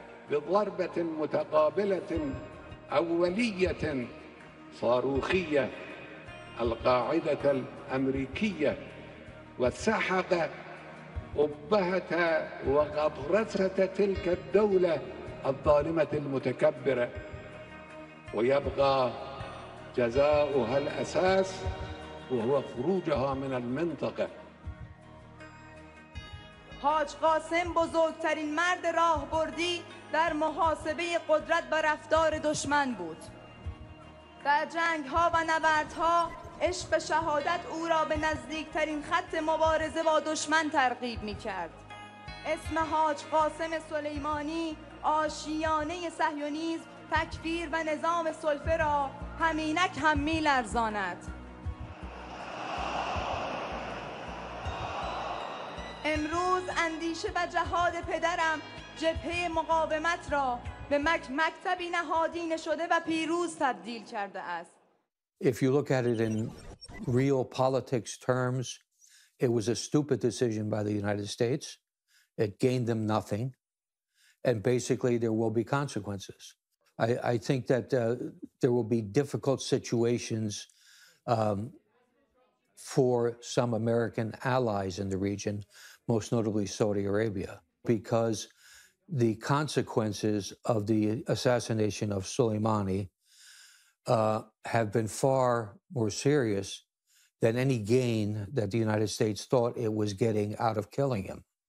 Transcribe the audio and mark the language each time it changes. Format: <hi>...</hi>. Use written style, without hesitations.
<ar>بضربة متقابلة أولية صاروخية القاعدة الأمريكية وسحق أبهة وغطرسة تلك الدولة الظالمة المتكبرة، ويبقى جزاؤها الأساس وهو خروجها من المنطقة.</ar> <fa>حاج قاسم بزرگترین مرد راهبردی در محاسبه قدرت و رفتار دشمن بود. در جنگ ها و نبرد ها عشق شهادت او را به نزدیکترین خط مبارزه با دشمن ترغیب می کرد. اسم حاج قاسم سلیمانی آشیانه صهیونیسم، تکفیر و نظام سلفه را همینک هم می لرزاند. امروز اندیشه و جهاد پدرم جبهه مقاومت را به مکتبی نهادین شده و پیروز تبدیل کرده است.</fa> <en>If you look at it in real politics terms, it was a stupid decision by the United States. It gained them nothing. And basically there will be consequences. I think that there will be difficult situations for some American allies in the region, most notably Saudi Arabia, because the consequences of the assassination of Soleimani have been far more serious than any gain that the United States thought it was getting out of killing him.</en>